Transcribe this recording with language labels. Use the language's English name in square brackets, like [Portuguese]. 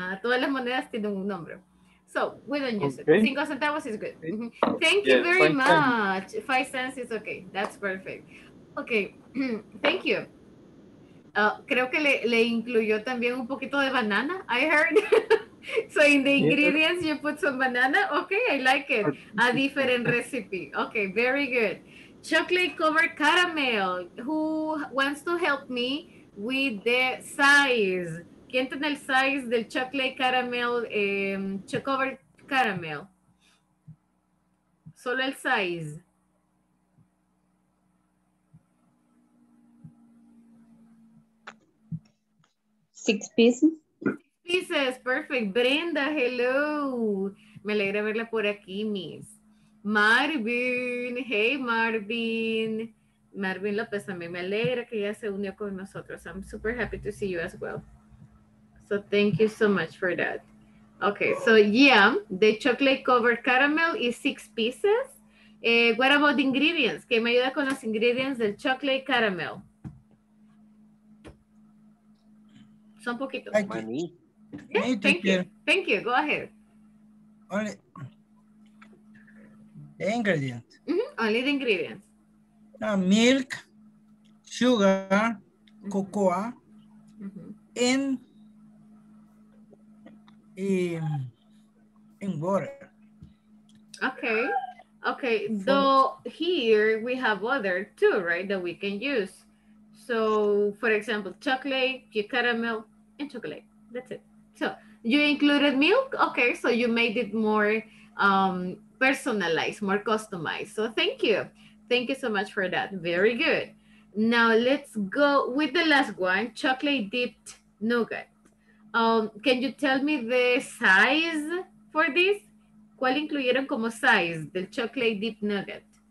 [Spanish] Todas las monedas tienen un nombre. [English] So, we don't use it. 5 centavos is good. Mm-hmm. Thank you very much. 5 cents is okay. That's perfect. Okay, thank you. [Spanish] Creo que le incluyó también un poquito de banana, [English] I heard. So in the ingredients, you put some banana. Okay, I like it. A different recipe. Okay, very good. Chocolate covered caramel. Who wants to help me with the size? [Spanish] ¿Quién tiene el size del chocolate caramel, chocolate caramel? Solo el size. [English] Six pieces. [Spanish] pieces. Perfect. Brenda, hello. Me alegra verla por aquí, Miss. [English] Marvin, hey Marvin. [Spanish] Marvin López, también me alegra que ya se unió con nosotros. [English] I'm super happy to see you as well. So thank you so much for that. Okay, so yeah, the chocolate covered caramel is 6 pieces. What about the ingredients? [Spanish] ¿Qué me ayuda con los ingredients del chocolate caramel? Son poquitos. [English] Thank you. Yeah, thank you. Thank you. Go ahead. The ingredients. Mm-hmm. Only the ingredients. Milk, sugar, mm-hmm. cocoa, mm-hmm. And water. Okay. Okay. So here we have other too, right, that we can use. So for example, chocolate, caramel, and chocolate. That's it. So you included milk? Okay. So you made it more personalized, more customized. So thank you. Thank you so much for that. Very good. Now let's go with the last one, chocolate dipped nougat. Can you tell me the size for this? [Spanish] ¿Cuál incluyeron como size del chocolate dipped nougat?